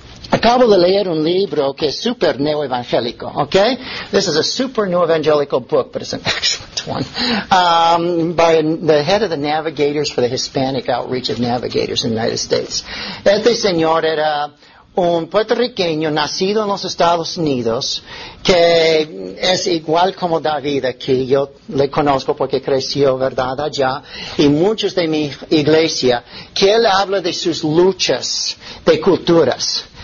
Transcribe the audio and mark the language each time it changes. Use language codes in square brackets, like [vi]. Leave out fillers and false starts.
[es] Acabo de leer un libro que es super neoevangélico, ¿ok? [en] This is a super neoevangelical book, but it's an excellent one. By the head of the Navigators for the Hispanic Outreach of Navigators in the United States. [es] Este señor era un puertorriqueño nacido en los Estados Unidos, que es igual como David aquí, yo le conozco porque creció, ¿verdad?, allá, y muchos de mi iglesia, que él habla de sus luchas de culturas.